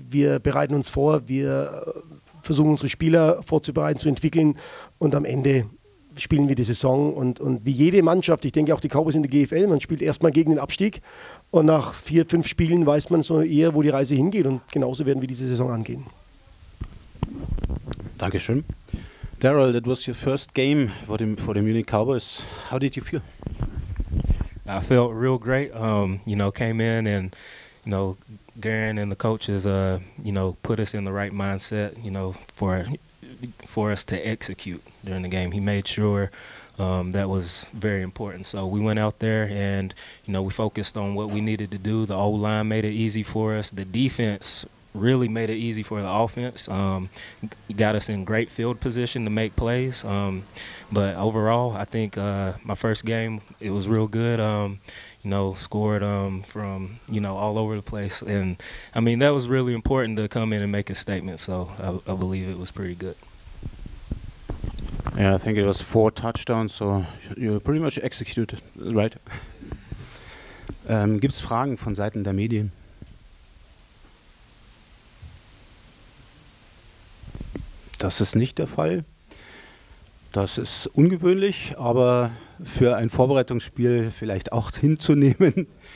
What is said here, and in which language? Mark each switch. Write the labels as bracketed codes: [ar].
[de] Wir bereiten uns vor, wir versuchen unsere Spieler vorzubereiten, zu entwickeln und am Ende spielen wir die Saison und wie jede Mannschaft, ich denke auch die Cowboys in der GFL, man spielt erstmal gegen den Abstieg und nach 4, 5 Spielen weiß man so eher, wo die Reise hingeht und genauso werden wir diese Saison angehen. Dankeschön. [en] Daryl, that was your first game for the Munich Cowboys. How did you feel? I felt real great. Came in and Garen and the coaches put us in the right mindset, for us to execute during the game. He made sure that was very important. So we went out there and we focused on what we needed to do. The O-line made it easy for us. The defense really made it easy for the offense. Got us in great field position to make plays. But overall, I think my first game, it was real good. Scored from all over the place, and I mean that was really important to come in and make a statement. So I believe it was pretty good. Yeah, I think it was 4 touchdowns. So you pretty much executed, right? [de] Gibt's Fragen von Seiten der Medien? Das ist nicht der Fall. Das ist ungewöhnlich, aber für ein Vorbereitungsspiel vielleicht auch hinzunehmen.